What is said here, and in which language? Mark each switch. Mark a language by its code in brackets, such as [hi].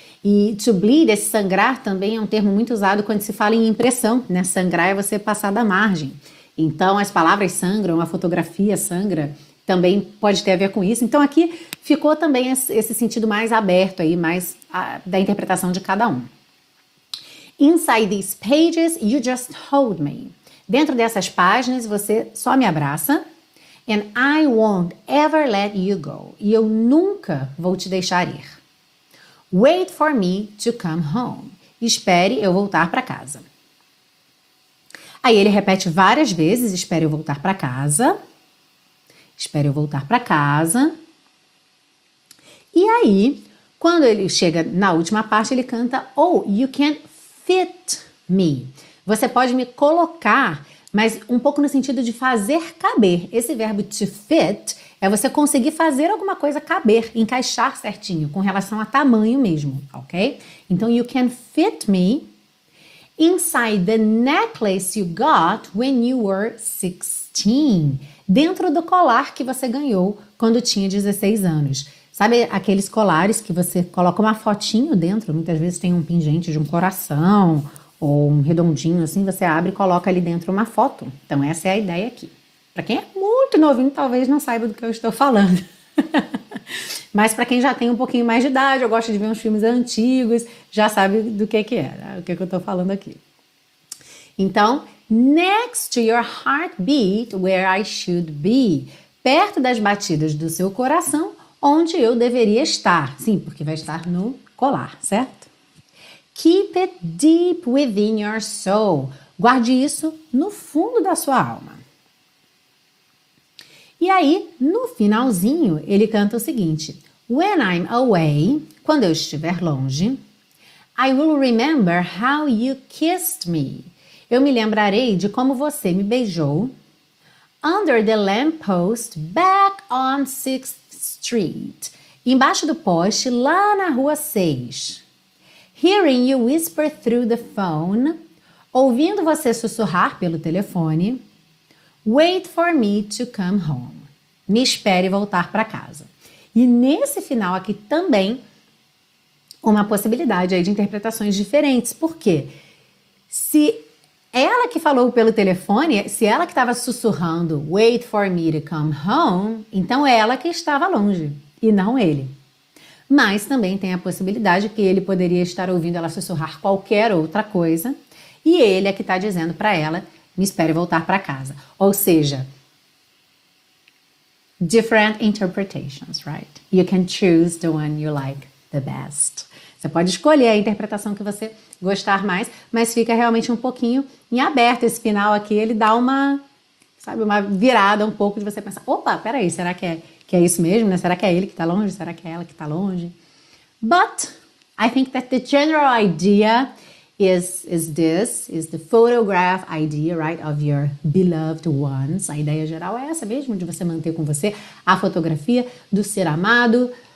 [pt] E to bleed, esse sangrar, também é um termo muito usado quando se fala em impressão, né? Sangrar é você passar da margem. Então, as palavras sangram, a fotografia sangra, também pode ter a ver com isso. Então, aqui ficou também esse sentido mais aberto aí, mais da interpretação de cada um. [en] Inside these pages, you just hold me. [pt] Dentro dessas páginas, você só me abraça. [en] And I won't ever let you go. [pt] E eu nunca vou te deixar ir. [en] Wait for me to come home. [pt] Espere eu voltar para casa. Aí ele repete várias vezes: espere eu voltar para casa. Espere eu voltar para casa. E aí, quando ele chega na última parte, ele canta: [en] Oh, you can fit me. [pt] Você pode me colocar, mas um pouco no sentido de fazer caber. Esse verbo to fit. É você conseguir fazer alguma coisa caber, encaixar certinho, com relação a tamanho mesmo, ok? [en] Então, you can fit me inside the necklace you got when you were 16. [pt] Dentro do colar que você ganhou quando tinha 16 anos. Sabe aqueles colares que você coloca uma fotinho dentro? Muitas vezes tem um pingente de um coração ou um redondinho assim, você abre e coloca ali dentro uma foto. Então, essa é a ideia aqui. Para quem é muito novinho, talvez não saiba do que eu estou falando. Mas para quem já tem um pouquinho mais de idade, ou gosta de ver uns filmes antigos, já sabe do que é, né? O que é que eu estou falando aqui. [en] Então, next to your heartbeat, where I should be. [pt] Perto das batidas do seu coração, onde eu deveria estar. Sim, porque vai estar no colar, certo? [en] Keep it deep within your soul. [pt] Guarde isso no fundo da sua alma. E aí, no finalzinho, ele canta o seguinte: [en] When I'm away, [pt] quando eu estiver longe, [en] I will remember how you kissed me. [pt] Eu me lembrarei de como você me beijou. [en] Under the lamp post, back on 6th Street. [pt] Embaixo do poste, lá na rua 6. [en] Hearing you whisper through the phone. [pt] Ouvindo você sussurrar pelo telefone. [en] Wait for me to come home. [pt] Me espere voltar para casa. E nesse final aqui também uma possibilidade aí de interpretações diferentes. Por quê? Se ela que falou pelo telefone, se ela que estava sussurrando [en] "Wait for me to come home", [pt] então é ela que estava longe e não ele. Mas também tem a possibilidade que ele poderia estar ouvindo ela sussurrar qualquer outra coisa e ele é que está dizendo para ela "Me espere voltar para casa". Ou seja, [en] different interpretations, right? You can choose the one you like the best. [pt] Você pode escolher a interpretação que você gostar mais, mas fica realmente um pouquinho em aberto esse final aqui. Ele dá uma, sabe, uma virada um pouco de você pensar: opa, peraí, será que é isso mesmo, né? Será que é ele que tá longe? Será que é ela que tá longe? [en] But I think that the general idea is the photograph idea, right, of your beloved ones. [pt] A ideia geral é essa mesmo, de você manter com você a fotografia do ser amado,